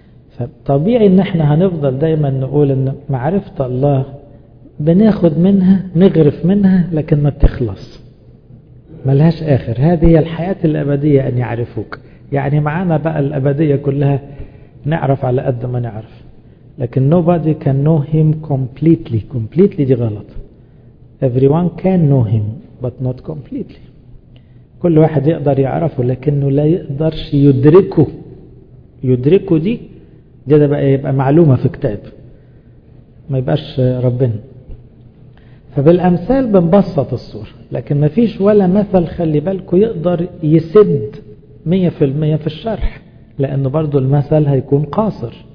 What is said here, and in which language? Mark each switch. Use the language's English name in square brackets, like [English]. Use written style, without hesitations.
[Arabic] فطبيعي ان احنا هنفضل دايما نقول ان معرفة الله بناخد منها نغرف منها لكن ما بتخلص، ملهاش اخر. هذه هي الحياة الابدية ان يعرفوك، يعني معانا بقى الابدية كلها نعرف على قد ما نعرف، لكن [English] nobody can know him completely. completely [Arabic] دي غلط. [English] everyone can know him but not completely. [Arabic] كل واحد يقدر يعرفه لكنه لا يقدرش يدركه. يدركه دي بقى يبقى معلومة في كتاب، ما يبقاش ربنا. فبالامثال بنبسط الصورة، لكن ما فيش ولا مثل خلي بالكو يقدر يسد 100% في الشرح، لانه برضو المثل هيكون قاصر.